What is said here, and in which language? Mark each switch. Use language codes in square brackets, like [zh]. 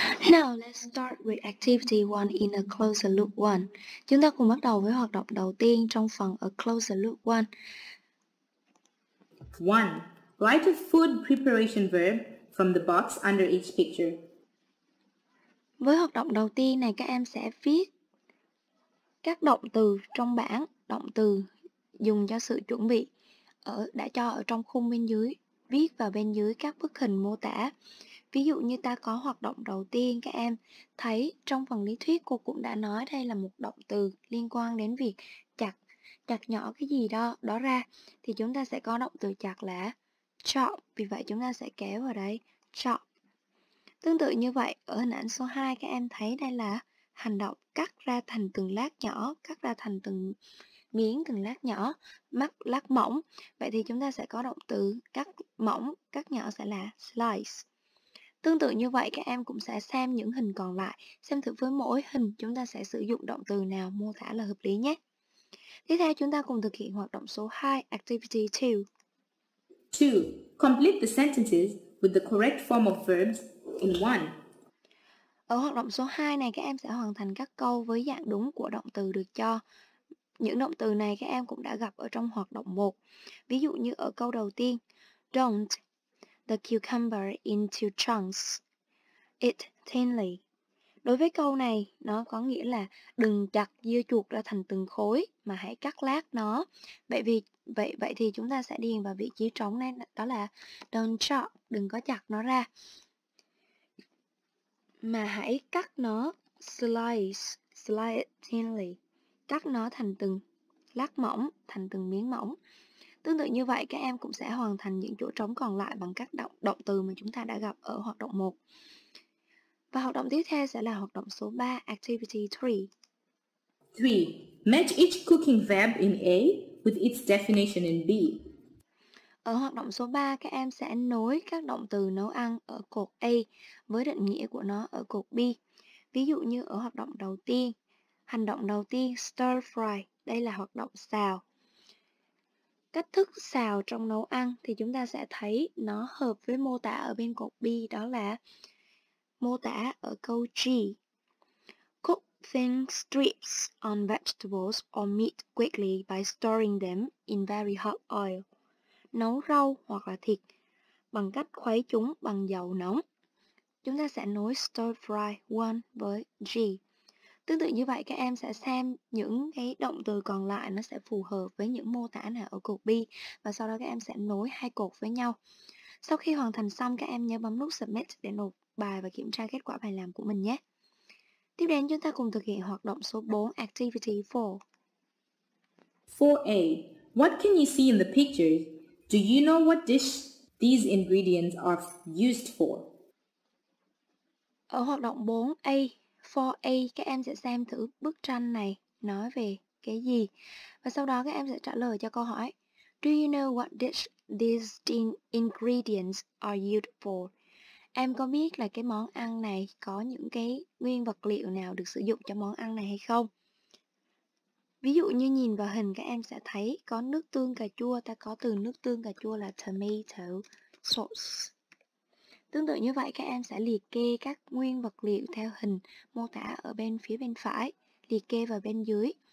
[en] Now, let's start with activity 1 in A Closer Look 1. [vi] Chúng ta cùng bắt đầu với hoạt động đầu tiên trong phần A Closer Look 1. [en] 1. Write a food preparation verb from the box under each picture. [vi] Với hoạt động đầu tiên này, các em sẽ viết các động từ trong bảng, động từ dùng cho sự chuẩn bị đã cho ở trong khung bên dưới, viết vào bên dưới các bức hình mô tả. Ví dụ như ta có hoạt động đầu tiên, các em thấy trong phần lý thuyết cô cũng đã nói đây là một động từ liên quan đến việc chặt, chặt nhỏ cái gì đó đó ra, thì chúng ta sẽ có động từ chặt là chop, vì vậy chúng ta sẽ kéo vào đây chop. Tương tự như vậy ở hình ảnh số 2, các em thấy đây là hành động cắt ra thành từng lát nhỏ, cắt ra thành từng miếng, từng lát nhỏ, mắt lát mỏng. Vậy thì chúng ta sẽ có động từ cắt mỏng, cắt nhỏ sẽ là slice. Tương tự như vậy, các em cũng sẽ xem những hình còn lại, xem thử với mỗi hình chúng ta sẽ sử dụng động từ nào mô tả là hợp lý nhé. Tiếp theo chúng ta cùng thực hiện hoạt động số 2, activity 2. [en] 2. Complete the sentences with the correct form of verbs in one. [vi] Ở hoạt động số 2 này, các em sẽ hoàn thành các câu với dạng đúng của động từ được cho. Những động từ này các em cũng đã gặp ở trong hoạt động 1. Ví dụ như ở câu đầu tiên, [en] don't the cucumber into chunks, eat thinly. [vi] Đối với câu này, nó có nghĩa là đừng chặt dưa chuột ra thành từng khối mà hãy cắt lát nó. Vậy thì chúng ta sẽ điền vào vị trí trống này, đó là [en] don't chop, [vi] đừng có chặt nó ra, mà hãy cắt nó slice, [en] slice it thinly, [vi] cắt nó thành từng lát mỏng, thành từng miếng mỏng. Tương tự như vậy, các em cũng sẽ hoàn thành những chỗ trống còn lại bằng các động từ mà chúng ta đã gặp ở hoạt động 1. Và hoạt động tiếp theo sẽ là hoạt động số 3, activity 3. [en] 3. Match each cooking verb in A with its definition in B. [vi] Ở hoạt động số 3, các em sẽ nối các động từ nấu ăn ở cột A với định nghĩa của nó ở cột B. Ví dụ như ở hoạt động đầu tiên, hành động đầu tiên stir fry, đây là hoạt động xào. Cách thức xào trong nấu ăn thì chúng ta sẽ thấy nó hợp với mô tả ở bên cột B, đó là mô tả ở câu G. [en] Cook thin strips on vegetables or meat quickly by stirring them in very hot oil. [vi] Nấu rau hoặc là thịt bằng cách khuấy chúng bằng dầu nóng. Chúng ta sẽ nối stir fry 1 với G. Tương tự như vậy, các em sẽ xem những cái động từ còn lại nó sẽ phù hợp với những mô tả nào ở cột B. Và sau đó các em sẽ nối hai cột với nhau. Sau khi hoàn thành xong, các em nhớ bấm nút Submit để nộp bài và kiểm tra kết quả bài làm của mình nhé. Tiếp đến chúng ta cùng thực hiện hoạt động số 4, Activity 4. [en] 4A. What can you see in the picture? Do you know what dish these ingredients are used for? [vi] Ở hoạt động 4A, 4A, các em sẽ xem thử bức tranh này nói về cái gì. Và sau đó các em sẽ trả lời cho câu hỏi. [en] Do you know what dish these ingredients are used for? [vi] Em có biết là cái món ăn này có những cái nguyên vật liệu nào được sử dụng cho món ăn này hay không? Ví dụ như nhìn vào hình, các em sẽ thấy có nước tương cà chua, ta có từ nước tương cà chua là tomato sauce. Tương tự như vậy, các em sẽ liệt kê các nguyên vật liệu theo hình mô tả ở bên phía bên phải, liệt kê vào bên dưới.